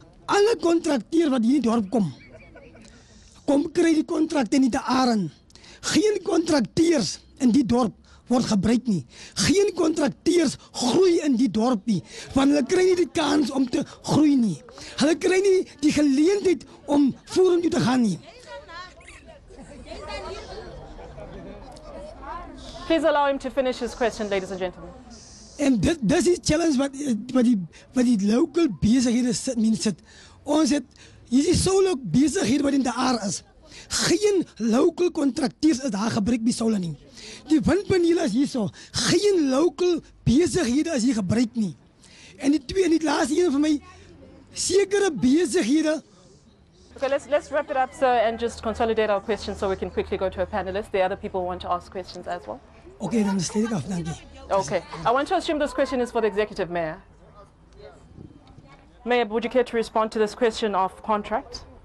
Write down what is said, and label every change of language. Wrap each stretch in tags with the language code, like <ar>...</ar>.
<af>Alle contracteer wat hier in die dorp kom kry die contract in die Aaren. Geen contracteers in die dorp word gebruik nie. Geen contracteers groei in die dorp nie, want hulle kry nie die kans om te groei nie. Hulle kry nie die geleentheid om vorentoe te gaan nie.</af> <en>Please allow him to finish his question, ladies and gentlemen.</en> <af>En dis die challenge wat die local besighede sit. Ons het, hier is die Solok besighede wat in de Aar is. Geen local contracteurs is daar gebruik by Solok nie. Die windpaneel is hier so. Geen local besighede is hier gebruik nie. En die twee, en die laatste ene van my, sekere besighede.</af> <en>Okay, let's wrap it up, sir, and just consolidate our questions so we can quickly go to our panelists. The other people want to ask questions as well.</en> <af>Okay, dan stel ek af, dankie.</af> <en>Okay, I want to assume this question is for the executive mayor. Mayor, would you care to respond to this question of contract?</en>